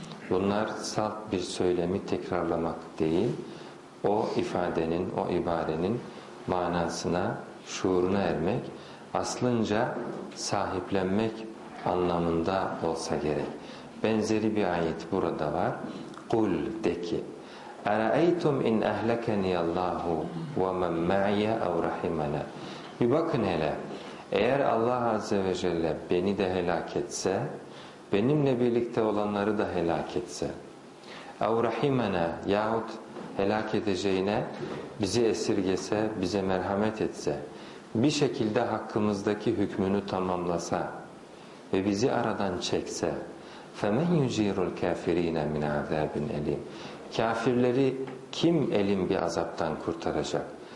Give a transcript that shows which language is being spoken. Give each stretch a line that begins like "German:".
Turkish: Bunlar salt bir söylemi tekrarlamak değil, o ifadenin, o ibarenin manasına, şuuruna ermek, aslınca sahiplenmek anlamında olsa gerek. Benzeri bir ayet burada var. Kul de ki,
Arabic: اَرَأَيْتُمْ اِنْ اَهْلَكَنِيَ اللّٰهُ وَمَنْ مَعْيَ اَوْ رَحِمَنَا.
Turkish: Bir bakın hele, eğer Allah Azze ve Celle beni de helak etse, benimle birlikte olanları da helak etse, evrahimena yahut helak edeceğine bizi esirgese, bize merhamet etse, bir şekilde hakkımızdaki hükmünü tamamlasa ve bizi aradan çekse,
Arabic: فَمَنْ يُجِيرُ الْكَافِر۪ينَ مِنْ عَذَابٍ اَل۪يمٍ
Turkish: Kafirleri kim elim bir azaptan kurtaracak?